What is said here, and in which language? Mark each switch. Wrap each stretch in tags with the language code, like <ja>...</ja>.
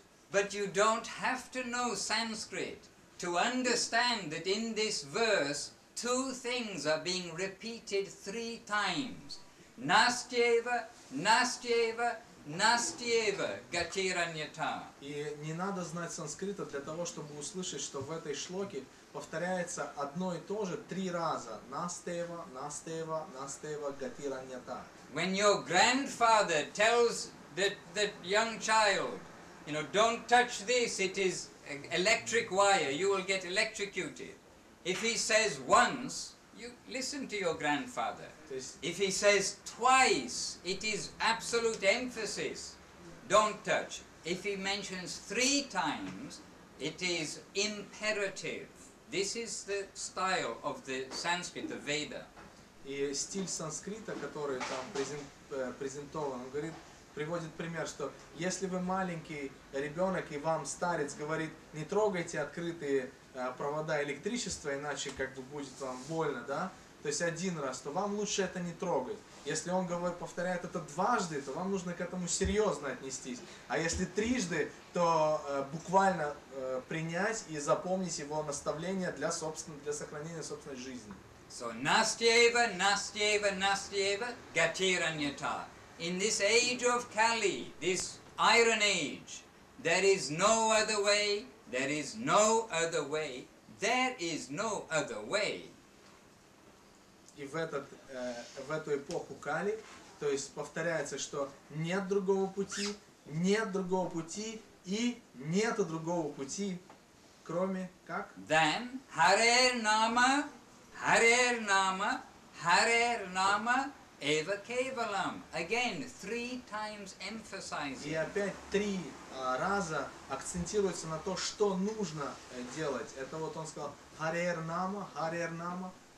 <en>But you don't have to know Sanskrit to understand that in this verse two things are being repeated three times.</en> <sa>Настьева, настьева, настьева, гатираньята.</sa> <ru>И не надо знать санскрита для того, чтобы услышать, что в этой шлоке повторяется одно и то же три раза.</ru> <sa>Настьева, настьева, настьева, гатираньята.</sa> <en>When your grandfather tells that young child, you know, don't touch this, it is electric wire, you will get electrocuted. If he says once, you listen to your grandfather. If he says twice, it is absolute emphasis, don't touch. If he mentions three times, it is imperative. This is the style of the Sanskrit, the Veda.</en> <ru>И стиль санскрита, который там презентован, он говорит, приводит пример, что если вы маленький ребенок и вам старец говорит, не трогайте открытые провода электричества, иначе как бы будет вам больно, да? То есть один раз, то вам лучше это не трогать. Если он говорит, повторяет это дважды, то вам нужно к этому серьезно отнестись. А если трижды, то буквально принять и запомнить его наставление для собственного, для сохранения собственной жизни.</ru> <sa>So nastyeva, nastyeva, nastyeva, gatiranyata.</sa> <en>In this age of Kali, this iron age, there is no other way, there is no other way, there is no other way.</en> <ru>И в эту эпоху Кали, то есть повторяется, что нет другого пути, нет другого пути и нет другого пути, кроме как?</ru> <sa>Then, Харе-нама, Харе-нама, Харе-нама, Эва-кевалам.</sa> <en>Again, three times emphasizing.</en> <ru>И опять три раза акцентируется на то, что нужно делать. Это вот он сказал,</ru> <sa>Харе-нама, Харе-нама.</sa>